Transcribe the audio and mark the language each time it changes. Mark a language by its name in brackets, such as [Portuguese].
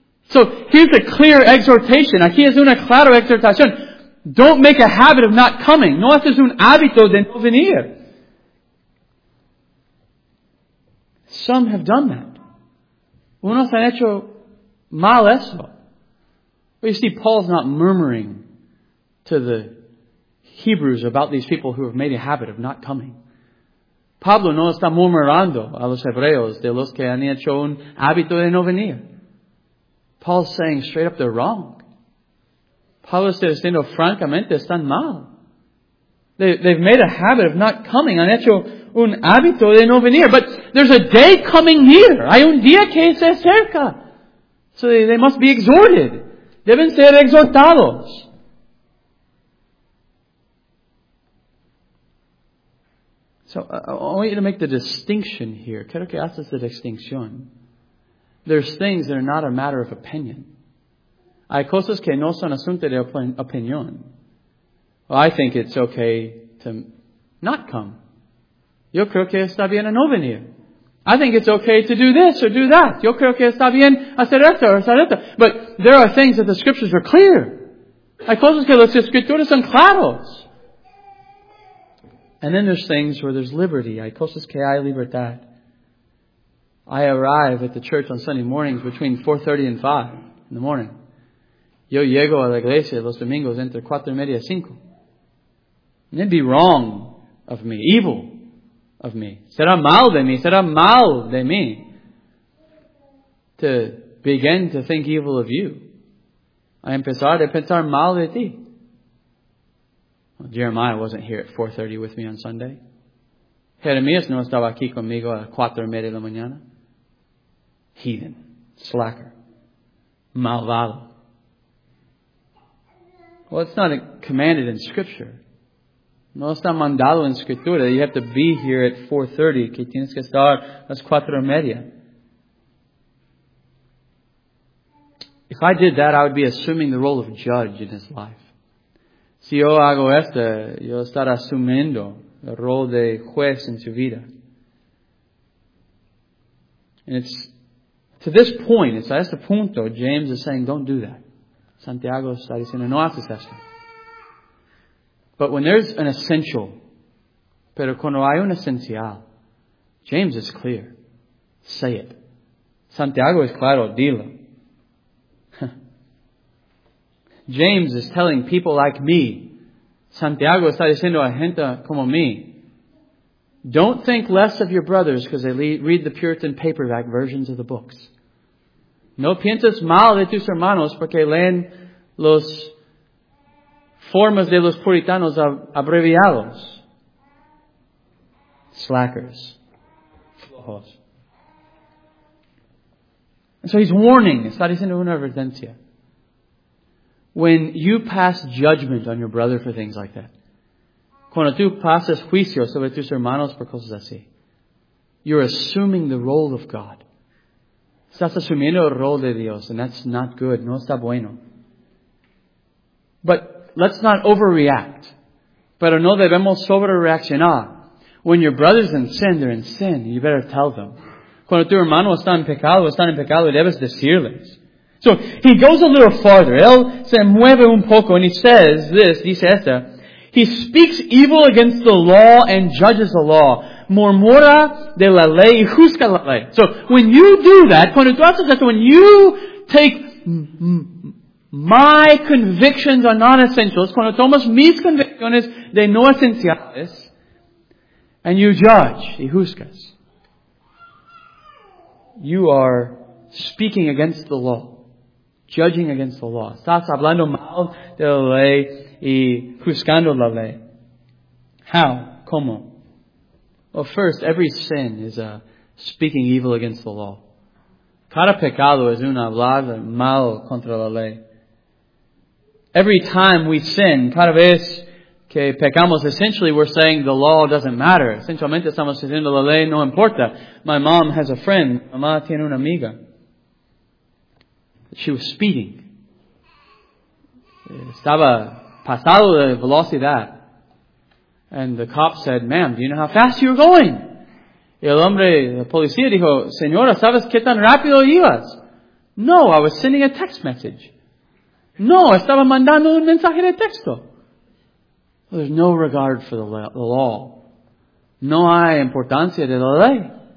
[English] So here's a clear exhortation. [Spanish] Aquí es una clara exhortación. [English] Don't make a habit of not coming. [Spanish] No haces un hábito de no venir. [English] Some have done that. [Spanish] Unos han hecho mal eso. [English] But you see, Paul's not murmuring to the Hebrews about these people who have made a habit of not coming. [Spanish] Pablo no está murmurando a los hebreos de los que han hecho un hábito de no venir. [English] Paul's saying straight up they're wrong. [Spanish] Pablo está diciendo francamente están mal. [English] They've made a habit of not coming. [Spanish] Han hecho un hábito de no venir. [English] But there's a day coming here. [Spanish] Hay un día que se acerca. [English] So they must be exhorted. [Spanish] Deben ser exhortados. [English] So I want you to make the distinction here. [Spanish] Quiero que haces la distinción. [English] There's things that are not a matter of opinion. [Spanish] Hay cosas que no son asunto de opinión. [English] Well, I think it's okay to not come. [Spanish] Yo creo que está bien a no venir. [English] I think it's okay to do this or do that. [Spanish] Yo creo que está bien hacer esto o hacer esto. [English] But there are things that the scriptures are clear. [Spanish] Hay cosas que las escrituras son claras. [English] And then there's things where there's liberty. [Spanish] Hay cosas que hay libertad. [English] I arrive at the church on Sunday mornings between 4:30 and 5 in the morning. [Spanish] Yo llego a la iglesia los domingos entre 4:30 y 5. [English] And it'd be wrong of me, evil of me. [Spanish] Será mal de mí. [English] To begin to think evil of you. [Spanish] A empezar a pensar mal de ti. [English] Jeremiah wasn't here at 4:30 with me on Sunday. [Spanish] Jeremías no estaba aquí conmigo a 4:30 de la mañana. [English] Heathen. Slacker. [Spanish] Malvado. [English] Well, it's not commanded in Scripture. [Spanish] No está mandado en Escritura. [English] You have to be here at 4:30. [Spanish] Que tienes que estar las 4:30. [English] If I did that, I would be assuming the role of judge in his life. [Spanish] Si yo hago esto, yo estaré asumiendo el rol de juez en su vida. [English] And it's to this point, it's [Spanish] a este punto, [English] James is saying, don't do that. [Spanish] Santiago está diciendo, no haces esto. [English] But when there's an essential, [Spanish] pero cuando hay un esencial, [English] James is clear. Say it. [Spanish] Santiago es claro, dilo. [English] James is telling people like me, [Spanish] Santiago está diciendo a gente como mí, [English] don't think less of your brothers because they read the Puritan paperback versions of the books. [Spanish] No pienses mal de tus hermanos porque leen los formas de los puritanos abreviados. [English] Slackers. [Spanish] Flojos. [English] And so he's warning. [Spanish] Está diciendo una advertencia. [English] When you pass judgment on your brother for things like that, [Spanish] cuando tú pasas juicio sobre tus hermanos por cosas así, [English] you're assuming the role of God. [Spanish] Estás asumiendo el rol de Dios, [English] and that's not good. [Spanish] No está bueno. [English] But let's not overreact. [Spanish] Pero no debemos sobrereaccionar. [English] When your brother's in sin, they're in sin. You better tell them. [Spanish] Cuando tu hermano está en pecado, debes decirles. [English] So he goes a little farther. [Spanish] Él se mueve un poco [English] and he says this, [Spanish] dice esta. [English] He speaks evil against the law and judges the law. [Spanish] Murmura de la ley y juzga la ley. [English] So when you do that, [Spanish] cuando tú haces esto, [English] when you take my convictions are not essentials, [Spanish] cuando tomas mis convicciones de no esenciales, [English] and you judge [Spanish] y juzgas, [English] you are speaking against the law. Judging against the law. [Spanish] Estás hablando mal de la ley y juzgando la ley. [English] How? [Spanish] ¿Cómo? [English] Well, first, every sin is speaking evil against the law. [Spanish] Cada pecado es un hablar mal contra la ley. [English] Every time we sin, [Spanish] cada vez que pecamos, [English] essentially we're saying the law doesn't matter. [Spanish] Esencialmente estamos diciendo la ley no importa. [English] My mom has a friend. [Spanish] Mamá tiene una amiga. [English] She was speeding. [Spanish] Estaba pasado de velocidad. [English] And the cop said, ma'am, do you know how fast you were going? [Spanish] Y el hombre, la policía, dijo, señora, ¿sabes qué tan rápido ibas? [English] No, I was sending a text message. [Spanish] No, estaba mandando un mensaje de texto. [English] Well, there's no regard for the law. [Spanish] No hay importancia de la ley.